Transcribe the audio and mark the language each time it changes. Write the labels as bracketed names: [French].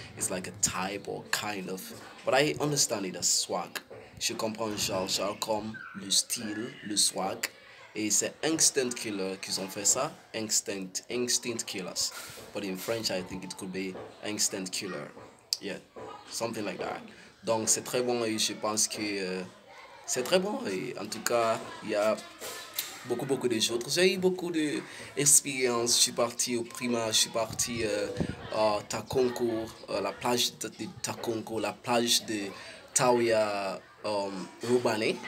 [English] It's like a type or kind of. But I understand it as swag. [French] Je comprends genre comme le style, le swag. Et c'est instinct killer qu'ils ont fait ça. [English] Instinct killers. But in French, I think it could be instinct killer. Yeah, something like that. [French] Donc c'est très bon et je pense que c'est très bon. Et en tout cas, il y a beaucoup, beaucoup de choses. J'ai eu beaucoup d'expériences. Je suis parti au primaire, je suis parti à Takonko, la plage de Takonko, la plage de Taouya, Robané.